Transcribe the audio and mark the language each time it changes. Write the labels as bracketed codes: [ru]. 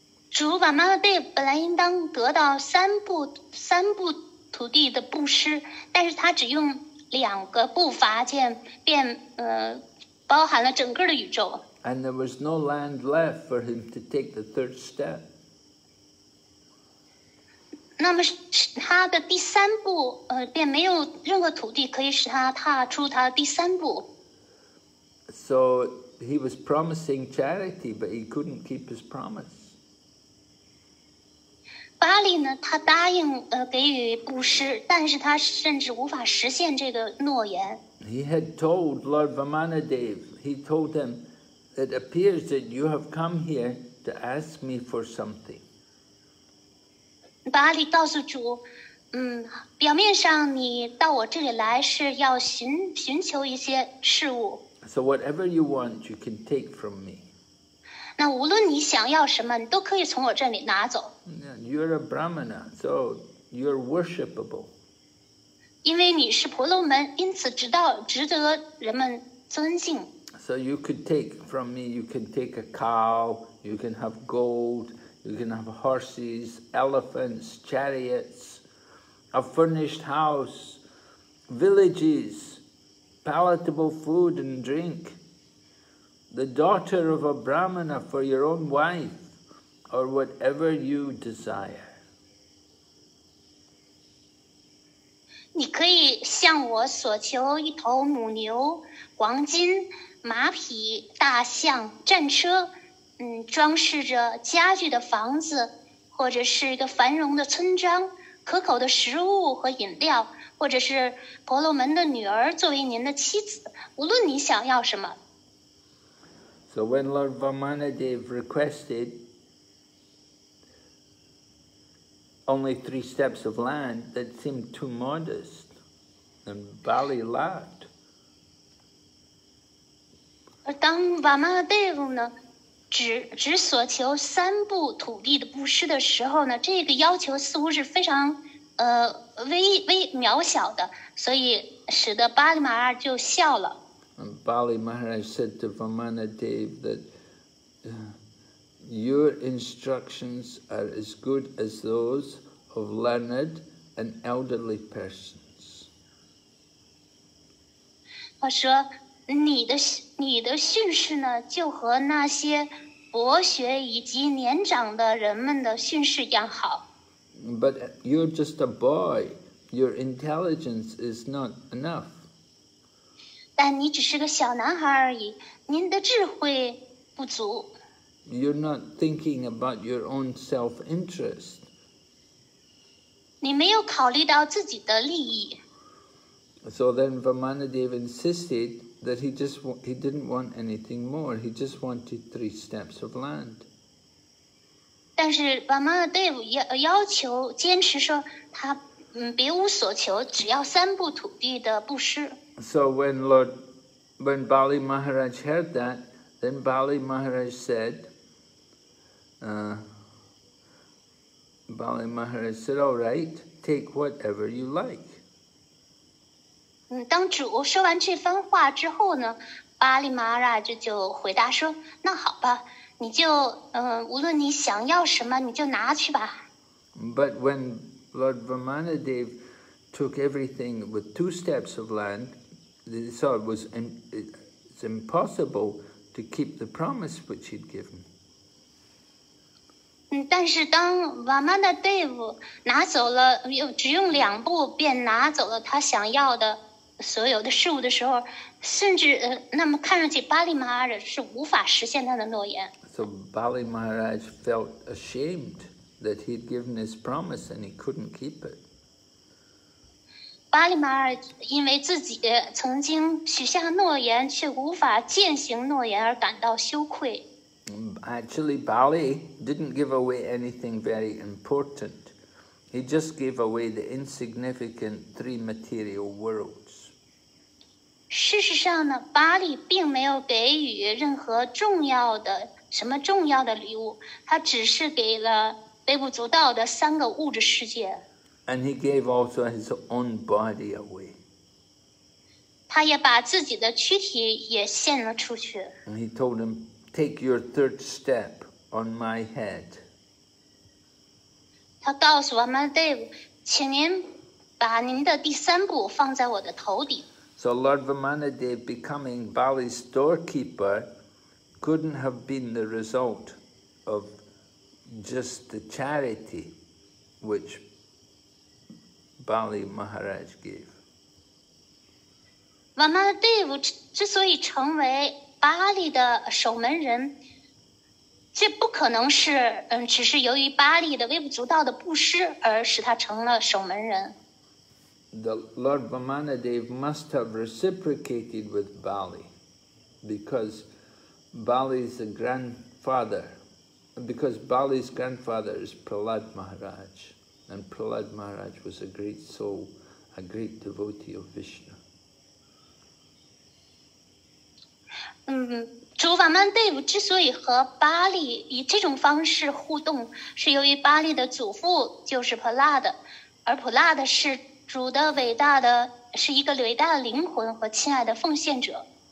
[zh] 主 Vamanadeva 本来应当得到三步土地的布施，但是他只用两个步伐间便包含了整个的宇宙。 [en] And there was no land left for him to take the 3rd step. [zh] 那么他的第三步便没有任何土地可以使他踏出他的第三步。 [en] So he was promising charity, but he couldn't keep his promise. [zh] 巴利呢他答应给予布施，但是他甚至无法实现这个诺言。 [en] He had told Lord Vamanadeva, he told him, it appears that you have come here to ask me for something. [zh] Bali 告诉主，表面上你到我这里来是要寻求一些事物。 [en] So whatever you want, you can take from me. [zh] 那无论你想要什么，你都可以从我这里拿走。 [en] You're a Brahmana, so you're worshipable. [zh] 因为你是婆罗门，因此值得人们尊敬。 [en] So you could take from me, you can take a cow, you can have gold, you can have horses, elephants, chariots, a furnished house, villages, palatable food and drink, the daughter of a Brahmana for your own wife, or whatever you desire. [zh] 你可以向我索求一头母牛、黄金、马匹、大象、战车，装饰着家具的房子，或者是一个繁荣的村庄，可口的食物和饮料，或者是婆罗门的女儿作为您的妻子，无论你想要什么。 [en] So when Lord Vamanadeva requested only 3 steps of land, that seemed too modest, and Bali laughed. [zh] 而当 Vamanadeva 呢，只所求三部土地的布施的时候呢，这个要求似乎是非常微渺小的，所以使得巴利马拉就笑了。 [en] Bali Maharaj said to Vamana Dev that your instructions are as good as those of learned and elderly persons. [zh] 他说你的训示呢，就和那些博学以及年长的人们的训示一样好。 [en] But you're just a boy. Your intelligence is not enough. [zh] 但你只是个小男孩而已，您的智慧不足。 [en] You're not thinking about your own self-interest. [zh] 你没有考虑到自己的利益。 [en] So then Vamana Dev insisted that he didn't want anything more. He just wanted three steps of land. [zh] 但是 Vamana Dev 要求坚持说他别无所求，只要三步土地的布施。 [en] So when Bali Maharaj heard that, then Bali Maharaj said,Bali Maharaj said, all right, take whatever you like. [zh] 当主说完这番话之后呢，巴利马拉就回答说，那好吧，你就无论你想要什么你就拿去吧。 [en] But when Lord Vamana Dev took everything with two steps of land, they saw it's impossible to keep the promise which he'd given. [zh] 但是当 Vamana Dev 拿走了，只用两步便拿走了他想要的所有的事物的时候，甚至那么看上去巴利马拉是无法实现他的诺言。 [en] So Bali Maharaj felt ashamed that he'd given his promise and he couldn't keep it. [zh] 巴利马拉因为自己曾经许下诺言却无法践行诺言而感到羞愧。 [en] Actually, Bali didn't give away anything very important. He just gave away the insignificant three material worlds. [zh] 事实上呢，巴利并没有给予任何重要的什么重要的礼物，他只是给了微不足道的三个物质世界。 [en] And he gave also his own body away. [zh] 他也把自己的躯体也献了出去。 [en] And he told him,Take your third step on my head. [zh] 他告诉 Vamana Dev, 请您把您的第三步放在我的头顶。 [en] So Lord Vamana Dev becoming Bali's doorkeeper couldn't have been the result of just the charity which Bali Maharaj gave. [zh] Vamana Dev 之所以成为巴利的守门人，这不可能是只是由于巴利的微不足道的布施而使他成了守门人。 [en] The Lord Vamana Dev must have reciprocated with Bali, because Bali's grandfather, is Prahlad Maharaj, and Prahlad Maharaj was a great soul, a great devotee of Vishnu. [zh] 主法曼德夫之所以和巴利以这种方式互动，是由于巴利的祖父就是普拉德，而普拉德是主的伟大的，是一个伟大的灵魂和亲爱的奉献者。